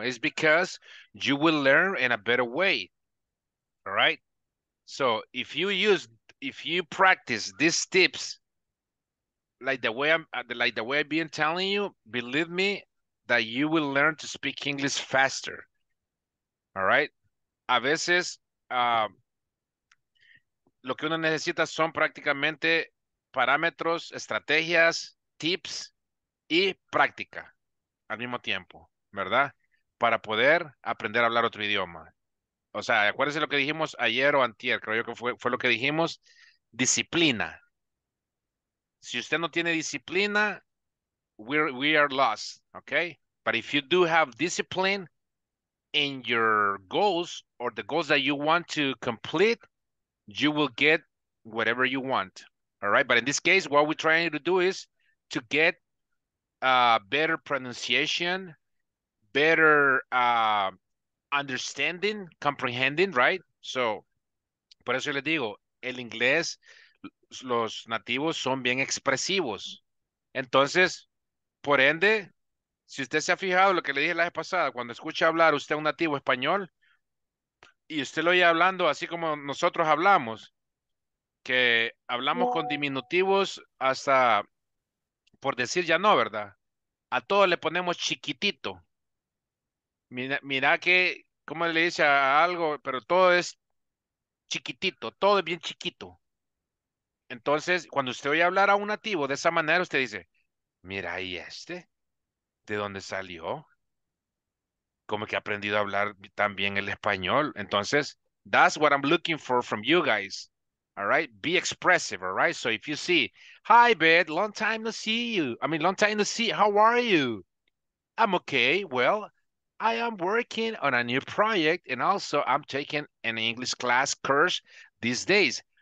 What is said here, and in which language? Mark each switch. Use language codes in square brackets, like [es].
[en] It's because you will learn in a better way. All right? So if you use, if you practice these tips, like the way I've been telling you, believe me that you will learn to speak English faster. All right? [es] A veces, lo que uno necesita son prácticamente parámetros, estrategias, tips y práctica al mismo tiempo, ¿verdad? Para poder aprender a hablar otro idioma. O sea, acuérdense lo que dijimos ayer o antier, creo yo que fue lo que dijimos, disciplina. Si usted no tiene disciplina, [en] we are lost, okay? But if you do have discipline in your goals or the goals that you want to complete, you will get whatever you want, all right? But in this case, what we're trying to do is to get better pronunciation, better understanding, comprehending, right? [es] So, por eso les digo, el inglés, los nativos son bien expresivos. Entonces, por ende, si usted se ha fijado lo que le dije la vez pasada, cuando escucha hablar usted a un nativo español, y usted lo oye hablando así como nosotros hablamos, que hablamos con diminutivos hasta, por decir ya no, ¿verdad? A todos le ponemos chiquitito. Mira que, ¿cómo le dice a algo? Pero todo es chiquitito, todo es bien chiquito. Entonces, cuando usted oye hablar a un nativo de esa manera, usted dice, mira, ¿y este? ¿De dónde salió? Como que ha aprendido a hablar también el español. [en] Entonces, that's what I'm looking for from you guys. All right? Be expressive, all right? So if you see, hi, Beth, long time to see you. I mean, long time to see. How are you? I'm okay. Well, I am working on a new project, and also I'm taking an English class course these days.